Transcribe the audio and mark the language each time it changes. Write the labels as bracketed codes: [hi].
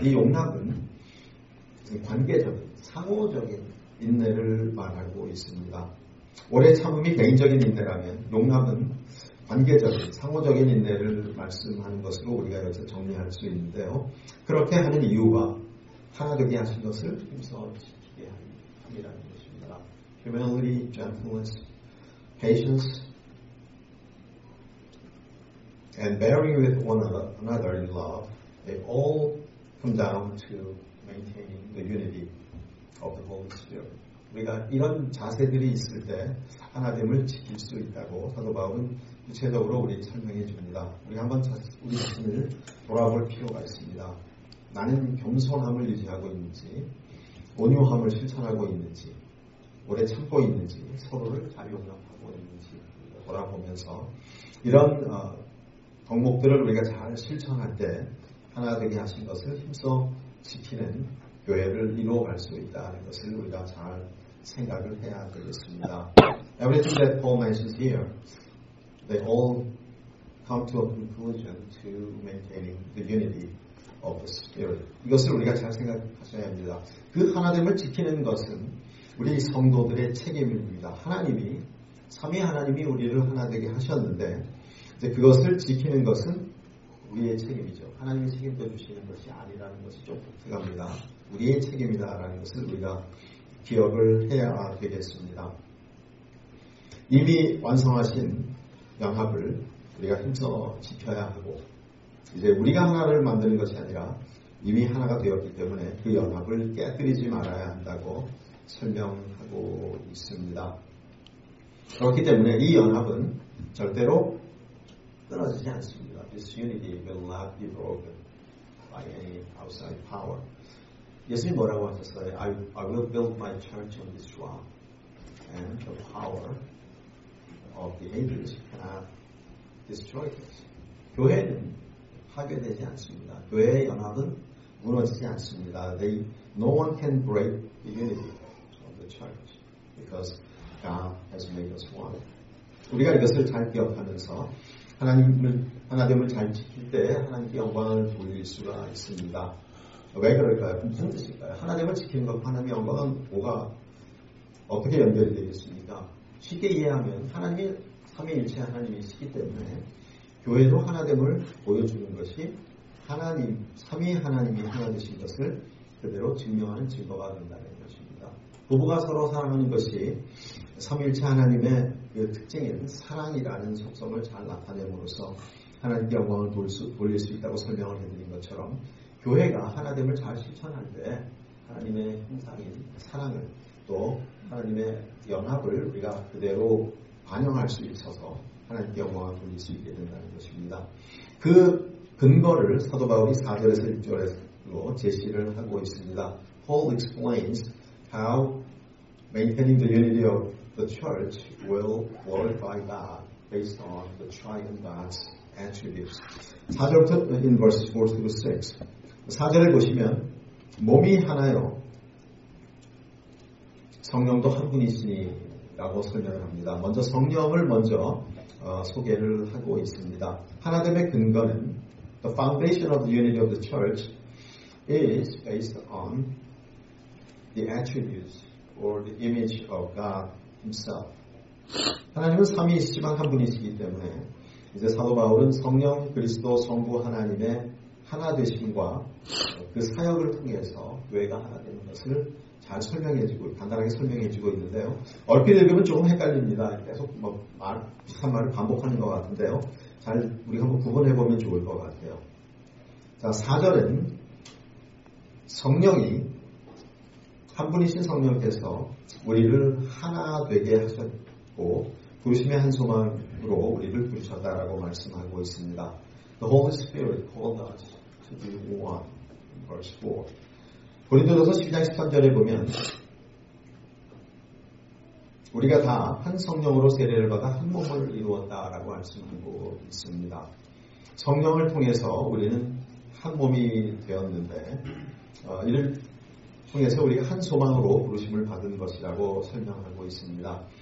[ko] 이 용납은 관계적인 상호적인 인내를 말하고 있습니다. 오래 참음이 개인적인 인내라면 용납은 관계적인 상호적인 인내를 말씀하는 것으로 우리가 여기서 정리할 수 있는데요. 그렇게 하는 이유가 하나 되게 하신 것을 힘써 지키게 함이라는 것입니다. [en] Humility, gentleness, patience, and bearing with one another in love, they all come down to maintaining the unity of the Holy Spirit. [ko] 우리가 이런 자세들이 있을 때 하나됨을 지킬 수 있다고 사도 바울은 구체적으로 우리 설명해 줍니다. 우리 한번 우리 자신을 돌아볼 필요가 있습니다. 나는 겸손함을 유지하고 있는지, 온유함을 실천하고 있는지, 오래 참고 있는지, 서로를 잘 용납하고 있는지 돌아보면서 이런 덕목들을 우리가 잘 실천할 때 하나 되게 하신 것을 힘써 지키는 교회를 이루어갈 수 있다는 것을 우리가 잘 생각을 해야 되겠습니다. [en] Everything that Paul mentions here, they all come to a conclusion to maintaining the unity of the Spirit. [ko] 이것을 우리가 잘 생각하셔야 합니다. 그 하나됨을 지키는 것은 우리 성도들의 책임입니다. 하나님이, 삼위 하나님이 우리를 하나되게 하셨는데 이제 그것을 지키는 것은 우리의 책임이죠. 하나님이 책임져 주시는 것이 아니라는 것이 좀 독특합니다. 우리의 책임이다라는 것을 우리가 기억을 해야 되겠습니다. 이미 완성하신 연합을 우리가 힘써 지켜야 하고 이제 우리가 하나를 만드는 것이 아니라 이미 하나가 되었기 때문에 그 연합을 깨뜨리지 말아야 한다고 설명하고 있습니다. 그렇기 때문에 이 연합은 절대로 떨어지지 않습니다. [en] This unity will not be broken by any outside power. [ko] 예수님 뭐라고 하셨어요? [en] I will build my church on this rock and the power of the angels cannot destroy it. [ko] 교회는 파괴되지 않습니다. 교회의 연합은 무너지지 않습니다. [en] No one can break the unity of the church because God has made us one. [ko] 우리가 이것을 잘 기억하면서 하나님을 잘 지킬 때 하나님께 영광을 돌릴 수가 있습니다. 왜 그럴까요? 무슨 뜻일까요? 하나님을 지키는 것과 하나님의 영광은 뭐가 어떻게 연결되겠습니까? 쉽게 이해하면 하나님이 삼위일체 하나님이시기 때문에 교회도 하나됨을 보여주는 것이 하나님, 삼위 하나님이 하나 되신 것을 그대로 증명하는 증거가 된다는 것입니다. 부부가 서로 사랑하는 것이 삼위일체 하나님의 그 특징인 사랑이라는 속성을 잘 나타내므로써 하나님께 영광을 돌릴 수 있다고 설명을 해드린 것처럼 교회가 하나됨을 잘 실천할 때 하나님의 형상인 사랑을 또 하나님의 연합을 우리가 그대로 반영할 수 있어서 하나님께 영광을 돌릴 수 있게 된다는 것입니다. 그 근거를 사도 바울이 4절에서 6절로 제시를 하고 있습니다. [en] Paul explains how maintaining the unity of the church will glorify God based on the triune God's attributes. [ko] 4절부터 [en] in verse 4 to 6. [ko] 4절을 보시면 몸이 하나요 성령도 한 분이시니 라고 설명을 합니다. 먼저 성령을 먼저 소개를 하고 있습니다. 하나됨의 근거는 [en] The foundation of the unity of the church is based on the attributes or the image of God himself. [ko] 하나님은 삼위이시지만 한 분이시기 때문에 이제 사도 바울은 성령 그리스도 성부 하나님의 하나 되심과 그 사역을 통해서 교회가 하나 되는 것을 잘 설명해주고 간단하게 설명해주고 있는데요. 얼핏 읽으면 조금 헷갈립니다. 계속 비슷한 말을 반복하는 것 같은데요. 잘 우리가 한번 구분해보면 좋을 것 같아요. 자, 4절은 성령이 한 분이신 성령께서 우리를 하나 되게 하셨고 부르심의 한 소망으로 우리를 부르셨다라고 말씀하고 있습니다. [en] The Holy Spirit called us to be one, verse 4. [ko] 고린도전서 12장 13절에 보면 우리가 다 한 성령으로 세례를 받아 한 몸을 이루었다라고 말씀하고 있습니다. 성령을 통해서 우리는 한 몸이 되었는데 이를 통해서 우리가 한 소망으로 부르심을 받은 것이라고 설명하고 있습니다.